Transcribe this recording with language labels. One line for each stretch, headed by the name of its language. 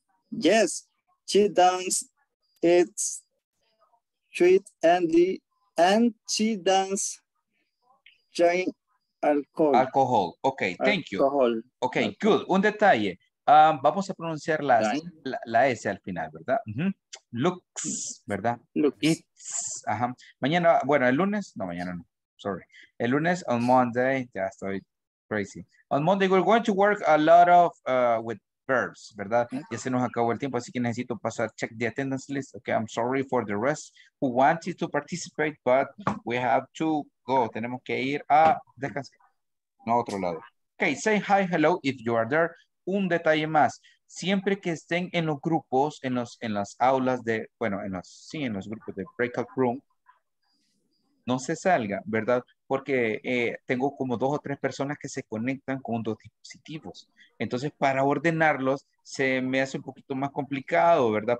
English: Yes, she does it treat and she does drink. Alcohol. Okay, thank you. Alcohol. Okay, alcohol. Good.
Spanish: Un detalle. Vamos a pronunciar la S al final, ¿verdad? Mm-hmm. Looks, ¿verdad?
English: Looks.
Spanish: It's. Ajá. Mañana, bueno, el lunes. No, mañana no. Sorry. El lunes,
English: on Monday.
Spanish: Ya estoy
English: crazy. On Monday, we're going to work a lot of with verbs, ¿verdad? Mm-hmm.
Spanish: Ya se nos acabó el tiempo, así que necesito pasar,
English: check the attendance list. Okay, I'm sorry for the rest who wanted to participate, but we have to go.
Spanish: Tenemos que ir a descansar. No, a otro lado.
English: Okay, say hi, hello, if you are there.
Spanish: Un detalle más. Siempre que estén en los grupos, en las aulas de, bueno, en los grupos de breakout room, no se salga, ¿verdad? Porque tengo como dos o tres personas que se conectan con dos dispositivos. Entonces, para ordenarlos, se me hace un poquito más complicado, ¿verdad?